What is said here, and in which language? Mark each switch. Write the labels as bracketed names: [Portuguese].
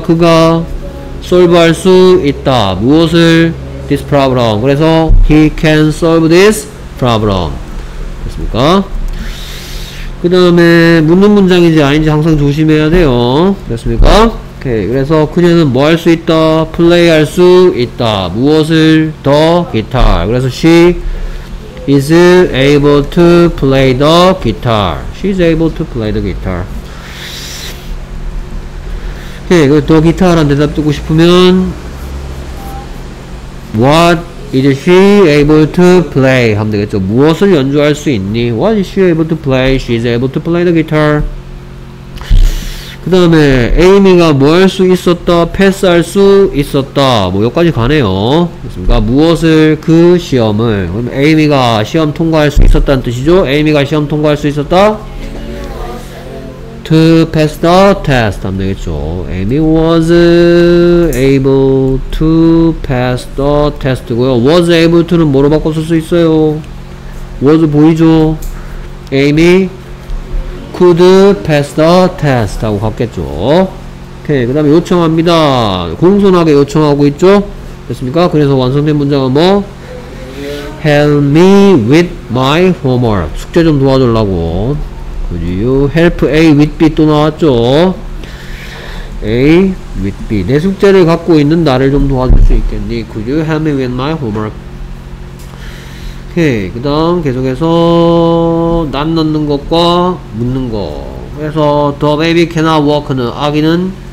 [Korean] 그가 solve 할 수 있다. 무엇을? This problem. 그래서 [English] he can solve this problem. [Korean] 됐습니까? 그 다음에 묻는 문장인지 아닌지 항상 조심해야 돼요. 됐습니까? 오케이. 그래서 그녀는 뭐 할 수 있다? 플레이 할 수 있다. 무엇을? The guitar. [English] 그래서 she is able to play the guitar. She's able to play the guitar. [Korean] 오케이. 그 The guitar란 대답 듣고 싶으면 [English] What is she able to play? [Korean] 하면 되겠죠. 무엇을 연주할 수 있니? [English] What is she able to play? She's able to play the guitar. [Korean] 그 다음에 에이미가 뭐 할 수 있었다, 패스할 수 있었다, 뭐 여기까지 가네요. 그렇습니까? 무엇을, 그 시험을. 그럼 에이미가 시험 통과할 수 있었다는 뜻이죠. 에이미가 시험 통과할 수 있었다, to pass the test 하면 되겠죠. [English] Amy was able to pass the test 고요 was able to는 [Korean] 뭐로 바꿔 쓸 수 있어요? [English] was 보이죠? Amy could pass the test [Korean] 하고 갔겠죠. [English] 오케이. [Korean] 그 다음에 요청합니다. 공손하게 요청하고 있죠? 됐습니까? 그래서 완성된 문장은 뭐? [English] help me with my homework. [Korean] 숙제 좀 도와주려고. [English] Could you help A with B 또 나왔죠? A with B. [Korean] 내 숙제를 갖고 있는 나를 좀 도와줄 수 있겠니? [English] Could you help me with my homework? 오케이. [Korean] 그 다음 계속해서 난 넣는 것과 묻는 거. 그래서 [English] the baby cannot walk [Korean] 는 아기는?